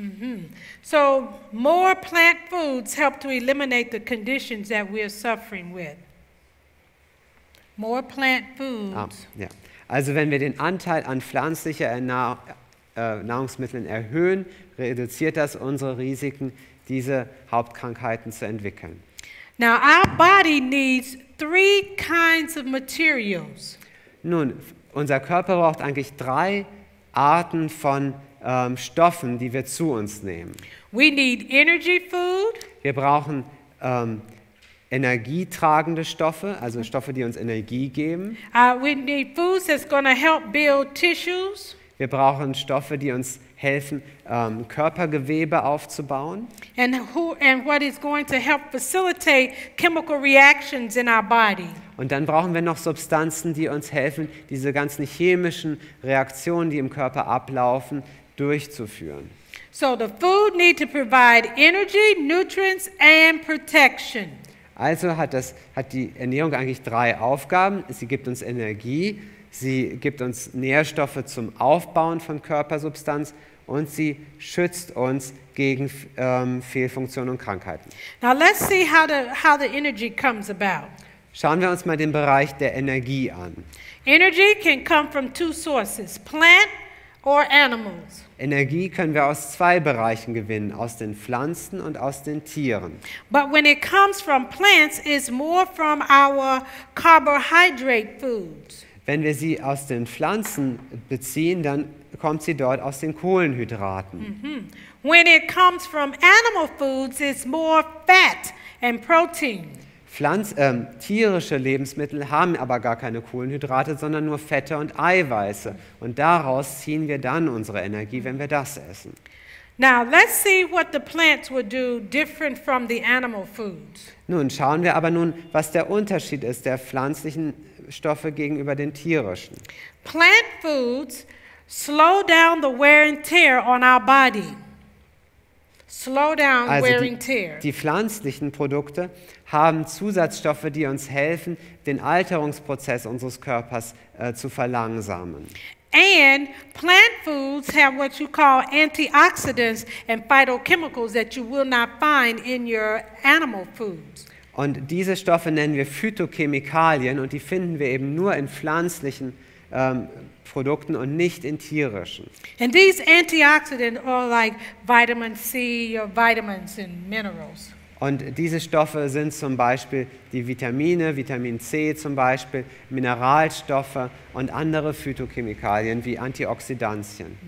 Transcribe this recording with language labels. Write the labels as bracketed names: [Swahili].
[English] Mm-hmm. So more plant foods help to eliminate the conditions that we are suffering with. More plant foods. [German] Also wenn wir den Anteil an pflanzlicher Nahrungsmitteln erhöhen, reduziert das unsere Risiken, diese Hauptkrankheiten zu entwickeln. [English] Now our body needs three kinds of materials. [German] Nun, unser Körper braucht eigentlich drei Arten von Stoffen, die wir zu uns nehmen. [English] We need energy food. [German] Wir brauchen energietragende Stoffe, also Stoffe, die uns Energie geben. [English] We need foods that's gonna help build tissues. [German] Wir brauchen Stoffe, die uns helfen, Körpergewebe aufzubauen. [English] And what is going to help facilitate chemical reactions in our body. [German] Und dann brauchen wir noch Substanzen, die uns helfen, diese ganzen chemischen Reaktionen, die im Körper ablaufen, durchzuführen. [English] So the food need to provide energy, nutrients and protection. [German] Also hat die Ernährung eigentlich drei Aufgaben. Sie gibt uns Energie, sie gibt uns Nährstoffe zum Aufbauen von Körpersubstanz und sie schützt uns gegen Fehlfunktionen und Krankheiten. [English] Now let's see how the energy comes about. [German] Schauen wir uns mal den Bereich der Energie an. [English] Energy can come from two sources, plant or animals. [German] Energie können wir aus zwei Bereichen gewinnen, aus den Pflanzen und aus den Tieren. [English] But when it comes from plants, it's more from our carbohydrate foods. [German] Wenn wir sie aus den Pflanzen beziehen, dann kommt sie dort aus den Kohlenhydraten. Mm-hmm. [English] When it comes from animal foods, it's more fat and protein. [German] Tierische Lebensmittel haben aber gar keine Kohlenhydrate, sondern nur Fette und Eiweiße. Und daraus ziehen wir dann unsere Energie, wenn wir das essen. [English] Now let's see what the plants would do different from the animal foods. [German] Nun schauen wir aber nun, was der Unterschied ist der pflanzlichen Stoffe gegenüber den tierischen. [English] Plant foods slow down the wear and tear on our body. Slow down wearing tear. [German] Die pflanzlichen Produkte haben Zusatzstoffe, die uns helfen, den Alterungsprozess unseres Körpers zu verlangsamen. [English] And plant foods have what you call antioxidants and phytochemicals that you will not find in your animal foods. [German] Und diese Stoffe nennen wir Phytochemikalien und die finden wir eben nur in pflanzlichen Produkten und nicht in tierischen. [English] And these antioxidants are like vitamin C or vitamins and minerals. [German] Und diese Stoffe sind zum Beispiel die Vitamine, Vitamin C zum Beispiel, Mineralstoffe und andere Phytochemikalien wie Antioxidantien.